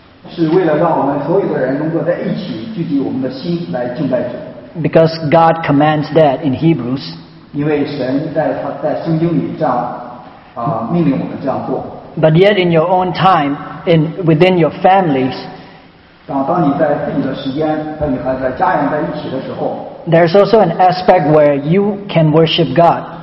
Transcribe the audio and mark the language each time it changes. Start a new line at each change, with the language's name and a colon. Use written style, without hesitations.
Chinese: 是为了让我们所有的人能够在一起聚集我们的心来敬拜主。
English: Because God commands that in Hebrews.
Chinese: 因为神在圣经里这样命令我们这样做。
English: But yet in your own time, within your families,
Chinese: 当你在自己的时间和你还在家人在一起的时候，
English: there's also an aspect where you can worship God.